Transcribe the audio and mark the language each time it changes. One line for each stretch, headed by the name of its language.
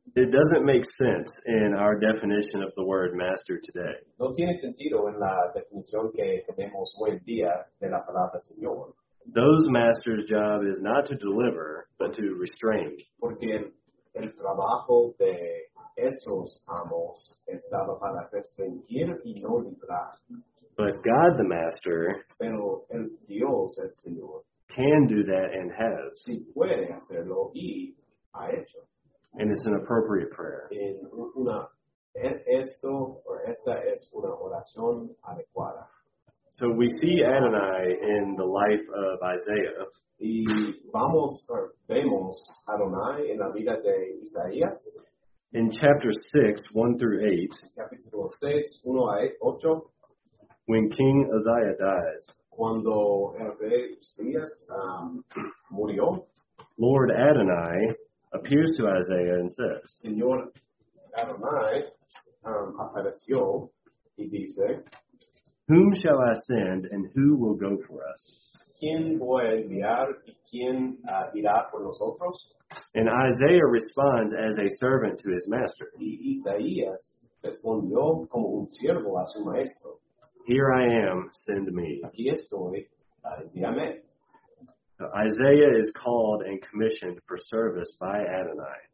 English: It doesn't make sense in our definition of the word master today.
Spanish: No tiene sentido en la definición que tenemos hoy en día de la palabra Señor.
English: Those masters' job is not to deliver, but to restrain.
Spanish: Porque el trabajo de esos amos estaba para restringir y no librar.
English: But God the Master,
Spanish: pero el Dios, el Señor,
English: can do that and has.
Spanish: Sí, puede hacerlo y ha hecho.
English: And it's an appropriate prayer.
Spanish: En una, esto, or esta es una oración adecuada.
English: So we see Adonai in the life of Isaiah.
Spanish: Y vemos Adonai en la vida de Isaías.
English: In chapter 6, 1 through 8.
Spanish: Capítulo 6, 1 a 8.
English: When King Uzziah dies,
Spanish: cuando el rey Uzzías murió,
English: Lord Adonai appears to Isaiah and says,
Spanish: Señor Adonai apareció y dice,
English: whom shall I send and who will go for us?
Spanish: ¿Quién voy a enviar y quién irá por nosotros?
English: And Isaiah responds as a servant to his master.
Spanish: Y Isaías respondió como un siervo a su maestro.
English: Here I am, send me.
Spanish: Aquí estoy, envíame.
English: Isaiah is called and commissioned for service by Adonai.